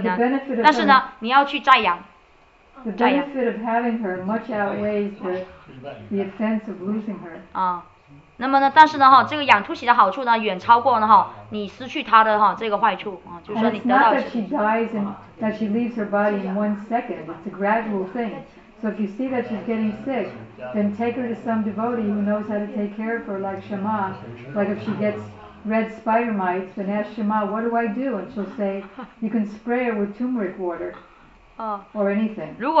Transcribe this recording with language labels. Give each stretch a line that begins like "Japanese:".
Chinese: 但是Tulsi引进以后呢，你可以呢哈，就是说呢，你可以忏悔哈，可以呢，但是呢，你要去再养。
English: The benefit of having her much outweighs the offense of losing her.
Chinese: 那么呢，但是呢哈，这个养Tulsi的好处呢，远超过呢哈，你失去它的哈这个坏处啊，就是说你得到。
English: It's not that she dies and that she leaves her body in 1 second. It's a gradual thing. So if you see that she's getting sick, then take her to some devotee who knows how to take care of her, like Shema. Like if she gets red spider mites, then ask Shema, what do I do? And she'll say, you can spray her with turmeric water or anything.